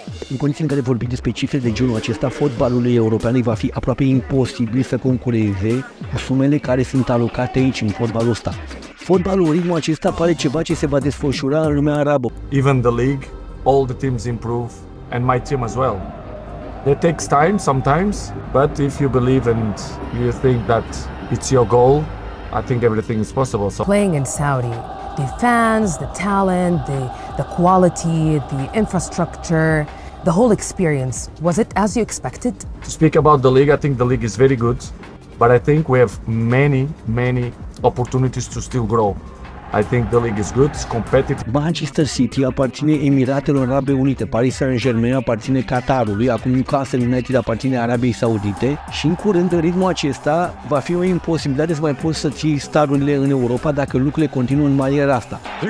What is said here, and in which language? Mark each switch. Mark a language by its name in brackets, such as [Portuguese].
[Romanian] În condiții în care vorbim despre cifre de genul acesta, fotbalul european îi va fi aproape imposibil să concureze cu sumele care sunt alocate aici, în fotbalul ăsta. Fotbalul, ritmul acesta, pare ceva ce se va desfășura în lumea arabă. [English] Even the league, all the teams improve, and my team as well. It takes time sometimes, but if you believe and you think that it's your goal, I think everything is possible. So. Playing in Saudi. The fans, the talent, the quality, the infrastructure, the whole experience, was it as you expected? To speak about the league, I think the league is very good, but I think we have many, many opportunities to still grow. I think the league is good, it's competitive. [Romanian] Manchester City aparține Emiratelor Arabe Unite, Paris Saint-Germain aparține Qatarului, acum Newcastle United aparține Arabiei Saudite și în curând, în ritmul acesta, va fi o imposibilitate să mai poți să ții starurile în Europa dacă lucrurile continuă în maniera asta.